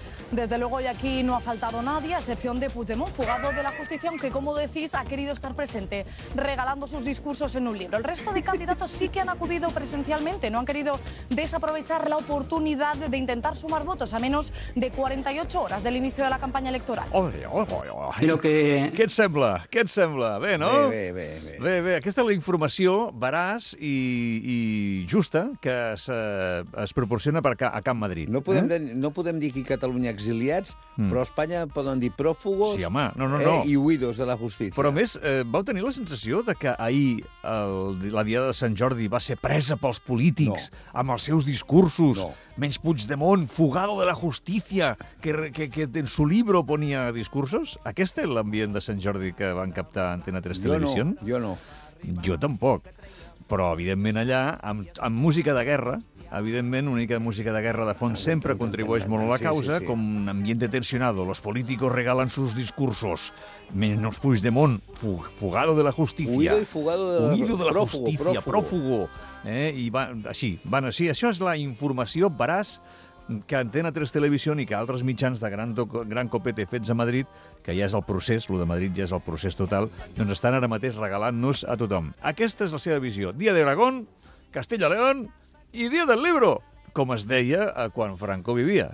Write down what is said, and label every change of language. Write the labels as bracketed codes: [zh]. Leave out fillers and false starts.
[es] Desde luego, y aquí no ha faltado nadie, a excepción de Puigdemont, fugado de la justicia, aunque, como decís, ha querido estar presente, regalando sus discursos en un libro. El resto de candidatos sí que han acudido presencialmente, no han querido desaprovechar la oportunidad de intentar sumar votos a menos de 48 horas del inicio de la campaña electoral. [ca] Què et sembla? Bé, no? Bé. Aquesta és la informació veraç i justa que es proporciona per a Camp Madrid. No podem dir que Catalunya exiliats, però a Espanya poden dir pròfugos i huidos de la justícia. Però a més, vau tenir la sensació de que ahir la Diada de Sant Jordi va ser presa pels polítics amb els seus discursos, menys Puigdemont, [es] fugado de la justícia, que en su libro [ca] ponia discursos? Aquest és l'ambient de Sant Jordi que van captar Antena 3 Televisió? Jo no. Jo tampoc. Però, evidentment, allà, amb música de guerra, evidentment, una mica de música de guerra de fons sempre contribueix molt a la causa, sí. [es] Com un ambiente tensionado. Los políticos regalan sus discursos. Menos Puigdemont, fugado de la justicia. Huido de la justicia, prófugo. [ca] I això és la informació veraç que Antena 3 Televisió i que altres mitjans [es] de gran copete [ca] fets a Madrid, que ja és el procés, lo de Madrid ja és el procés total, doncs estan ara mateix regalant-nos a tothom. Aquesta és la seva visió. Dia d'Aragón, Castilla León i Dia del Libro, com es deia quan Franco vivia.